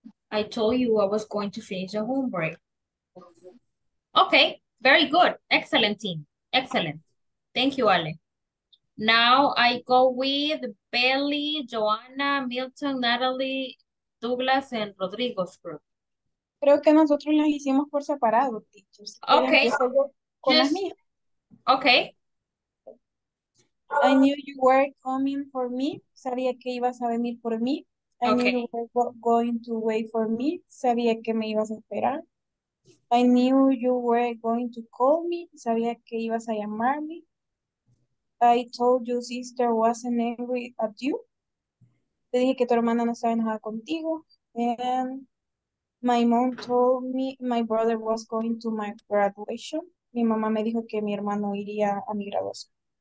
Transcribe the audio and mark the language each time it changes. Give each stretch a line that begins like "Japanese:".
English: I told you I was going to finish the homework. Okay. Very good. Excellent team. Excellent. Thank you, Ale. Now I go with Bailey, Joanna, Milton, Natalie, Douglas, and Rodrigo's group.
Spanish: Creo que nosotros las hicimos por separado, teachers.
English: Okay. Okay. I knew you were coming for me.
Spanish: Sabía que ibas a venir por mí.
English: I knew you were going to wait for me.
Spanish: Sabía que me ibas a esperar.
English: I knew you were going to call me.
Spanish: Sabía que ibas a llamarme.
English: I told your sister wasn't angry at you.
Spanish: Te dije que tu hermana no estaba enojada contigo.
English: And my mom told me my brother was going to my graduation.
Spanish: Mi mamá me dijo que mi hermano iría a mi graduación.